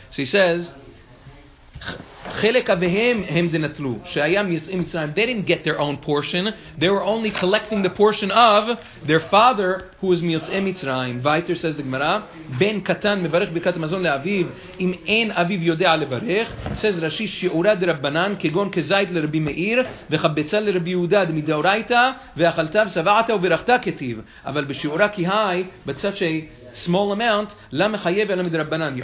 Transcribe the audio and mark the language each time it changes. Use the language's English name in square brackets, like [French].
[Hebrew] So he says, חלק אביהם הם דנטלו שהיום יצאים מצרים. [English] They didn't get their own portion. They were only collecting the portion of their father who was מיוצאי מצרים. [Hebrew] ויתר, [English] says the Gemara, [Hebrew] בן קטן מברך ברכת המזון לאביו אם אין אביו יודע לברך. Says Rashi, שיעורה דרבנן כגון כזית לרבי מאיר וחבצה לרבי יהודה דמידאורייתא ואכלתה וסבעתה וברכתה כתיב. אבל בשיעורה כהי, בצד שהיא [English] small amount, [Hebrew] למה חייב אלא מדרבנן?